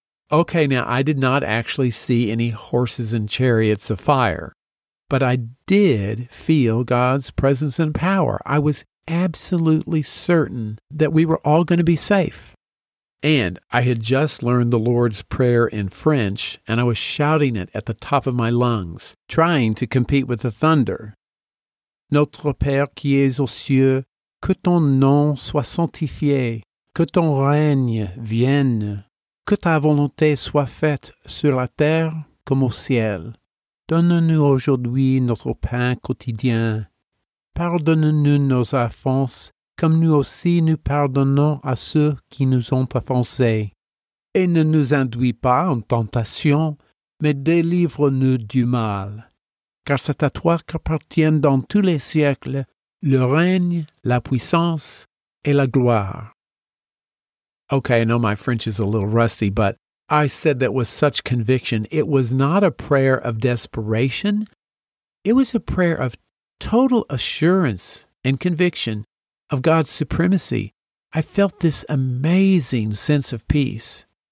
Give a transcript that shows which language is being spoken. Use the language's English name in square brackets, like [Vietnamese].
[English] Okay, now I did not actually see any horses and chariots of fire, but I did feel God's presence and power. I was absolutely certain that we were all going to be safe. And I had just learned the Lord's Prayer in French, and I was shouting it at the top of my lungs, trying to compete with the thunder. [French] Notre Père qui es aux cieux, que ton nom soit sanctifié, que ton règne vienne, que ta volonté soit faite sur la terre comme au ciel. Donne-nous aujourd'hui notre pain quotidien. Pardonne-nous nos offenses, comme nous aussi nous pardonnons à ceux qui nous ont offensés. Et ne nous induis pas en tentation, mais délivre-nous du mal. Car c'est à toi qu'appartiennent dans tous les siècles le règne, la puissance et la gloire. [English] Okay, I know my French is a little rusty, but I said that with such conviction. It was not a prayer of desperation. It was a prayer of total assurance and conviction of God's supremacy. I felt this amazing sense of peace.